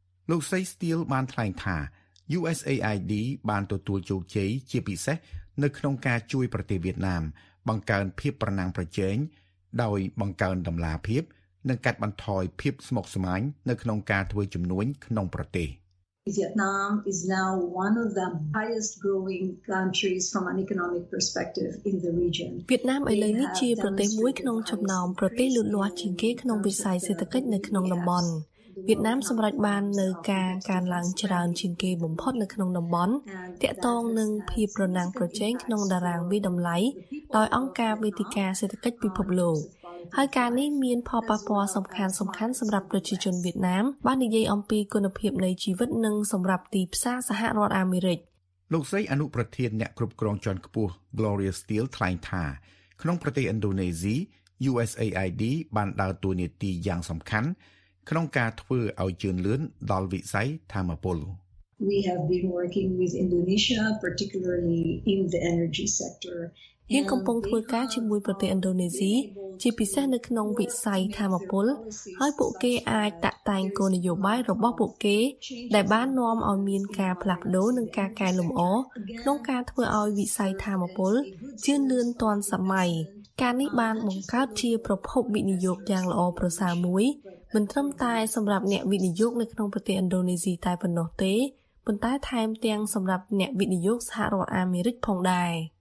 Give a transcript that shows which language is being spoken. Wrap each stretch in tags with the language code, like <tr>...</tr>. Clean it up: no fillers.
<km>លោកស្រី Steel បានថ្លែងថា USAID បានទទួលជោគជ័យជាពិសេសនៅក្នុងការជួយប្រទេសវៀតណាមបង្កើនភាពប្រណាំងប្រជែងដោយបង្កើនតម្លាភាពនិងកាត់បន្ថយភាពស្មុគស្មាញនៅក្នុងការធ្វើជំនួញក្នុងប្រទេស</km> <en>Vietnam is now one of the highest growing countries from an economic perspective in the region.</en> <km>Vietnam ឥឡូវនេះជាប្រទេសមួយក្នុងចំណោមប្រទេសលូតលាស់ជាងគេក្នុងវិស័យសេដ្ឋកិច្ចនៅក្នុងតំបន់។ Vietnam សម្រេចបាននូវការកើនឡើងច្រើនជាងគេបំផុតនៅក្នុងតំបន់ទាក់ទងនឹងភាពប្រណាំងប្រជែងក្នុងតារាងវិតម្លៃដោយអង្គការវេទិកាសេដ្ឋកិច្ចពិភពលោក។ហើយការនេះមានផលប៉ះពាល់សំខាន់សម្រាប់ប្រជាជនវៀតណាមបាននិយាយអំពីគុណភាពនៃជីវិតនិងសម្រាប់ទីផ្សារសហរដ្ឋអាមេរិក លោកស្រីអនុប្រធានអ្នកគ្រប់គ្រងជាន់ខ្ពស់ Gloria Steel ថ្លែងថាក្នុងប្រទេសឥណ្ឌូនេស៊ី USAID បានដើរតួនាទីយ៉ាងសំខាន់ក្នុងការធ្វើឲ្យជឿនលឿនដល់វិស័យធម្មពល</km> <en>We have been working with Indonesia, particularly in the energy sector.</en> <km>យើងកំពុងធ្វើការជាមួយប្រទេសឥណ្ឌូនេស៊ីជាពិសេសនៅក្នុងវិស័យធម៌ពលហើយពួកគេអាចតាក់តែងគោលនយោបាយរបស់ពួកគេដែលបាននាំឲ្យមានការផ្លាស់ប្ដូរនិងការកែលម្អក្នុងការធ្វើឲ្យវិស័យធម៌ពលជឿនលឿនទាន់សម័យការនេះបានបង្កើតជាប្រភពវិនិយោគយ៉ាងល្អប្រសើរមួយមិនត្រឹមតែសម្រាប់អ្នកវិនិយោគនៅក្នុងប្រទេសឥណ្ឌូនេស៊ីតែប៉ុណ្ណោះទេប៉ុន្តែថែមទាំងសម្រាប់អ្នកវិនិយោគសហរដ្ឋអាមេរិកផងដែរ</km>